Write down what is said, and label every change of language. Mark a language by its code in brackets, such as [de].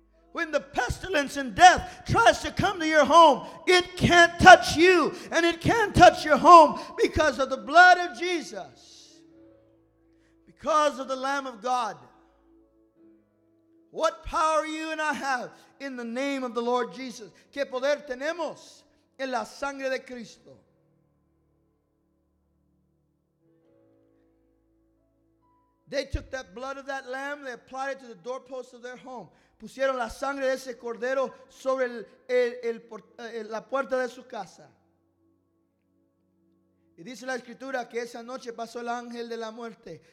[en] When the pestilence and death tries to come to your home, it can't touch you and it can't touch your home because of the blood of Jesus, because of the Lamb of God. What power you and I have in the name of the Lord Jesus. [es] Que poder tenemos en la sangre de Cristo. [en] They took that blood of that lamb, they applied it to the doorpost of their home. [es] Pusieron la sangre de ese cordero sobre la puerta de su casa. Y dice la escritura que esa noche pasó el ángel de la muerte.